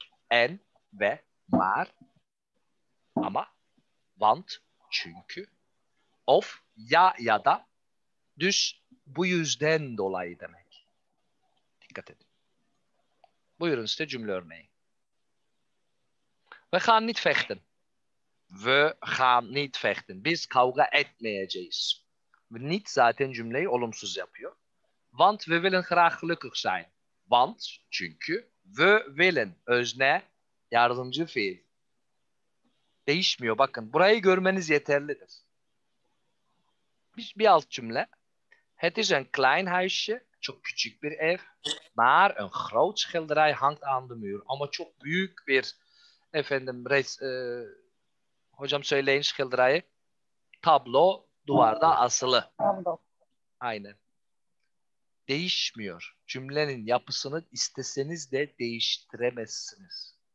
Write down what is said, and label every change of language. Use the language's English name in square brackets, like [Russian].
[Turkish] En ve mar ama want çünkü of ya ya da düş bu yüzden dolayı demek. Dikkat edin. Buyurun size cümle örneği. [Dutch] We gaan niet vechten. We gaan niet vechten. [Turkish] Biz kavga etmeyeceğiz. Niet zaten cümleyi olumsuz yapıyor. [Dutch] Want we willen graag gelukkig zijn. [Turkish] Want çünkü [Dutch] we willen [Turkish] özne yardımcı fiil. Değişmiyor bakın. Burayı görmeniz yeterlidir. Bir alt cümle. [Dutch] Het is een klein huisje. [Turkish] Çok küçük bir ev. [Dutch] Maar een groot schilderij hangt aan de muur. [Turkish] Ama çok büyük bir efendim hocam söyleyin schilderijı. Tablo duvarda asılı. Aynen. Değişmiyor. Cümlenin yapısını isteseniz de değiştiremezsiniz.